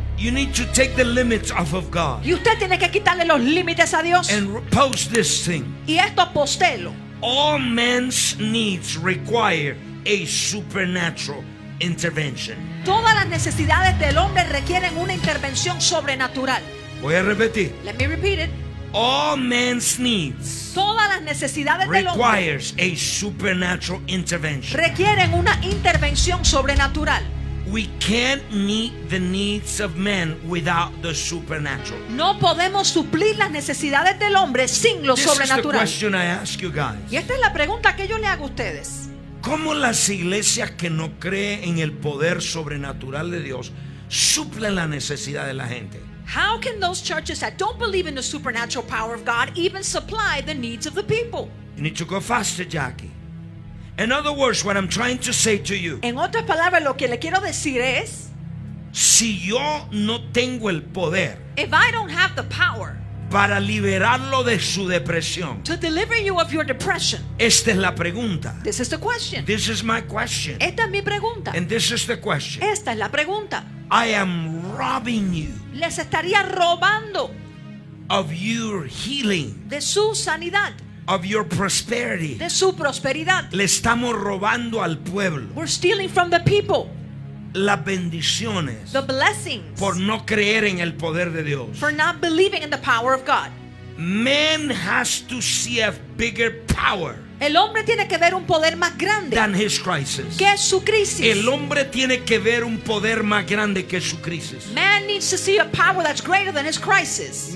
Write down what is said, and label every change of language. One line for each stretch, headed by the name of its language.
English: You need to take the limits off of God.
Spanish: Y usted tiene que quitarle los límites a Dios.
English: And post this thing.
Spanish: Y esto postelo.
English: All men's needs require a supernatural intervention.
Spanish: Todas las necesidades del hombre requieren una intervención sobrenatural. Voy a repetir.
English: Let me repeat it. all man's needs.
Spanish: Todas las necesidades del hombre
English: requires a supernatural intervention.
Spanish: Requieren una intervención sobrenatural.
English: We can't meet the needs of men without the supernatural.
Spanish: No podemos suplir las necesidades del hombre sin lo sobrenatural.
English: This is the question I ask you guys.
Spanish: Y esta es la pregunta que yo le hago a ustedes. ¿Cómo las iglesias que no creen en el poder sobrenatural de Dios suplen la necesidad de la gente?
English: How can those churches that don't believe in the supernatural power of God even supply the needs of the people? You need to go faster, Jackie. In other words, what I'm trying to say to you.
Spanish: En otras palabras, lo que le quiero decir es, si yo no tengo el poder,
English: if I don't have the power,
Spanish: para liberarlo de su depresión,
English: to deliver you of your depression,
Spanish: esta es la pregunta.
English: This is the question. This is my question.
Spanish: Esta es mi pregunta.
English: And this is the question.
Spanish: Esta es la pregunta.
English: I am robbing you.
Spanish: Les estaría robando
English: of your healing.
Spanish: De su sanidad.
English: Of your prosperity.
Spanish: De su prosperidad. Le estamos robando al pueblo.
English: We're stealing from the people.
Spanish: Las bendiciones.
English: The blessings.
Spanish: Por no creer en el poder de Dios.
English: For not believing in the power of God. Man has to see a bigger power.
Spanish: El hombre tiene que ver un poder más grande
English: than his crisis.
Spanish: Que su crisis. El hombre tiene que ver un poder más grande que su crisis.
English: Man needs to see a power that's greater than his crisis.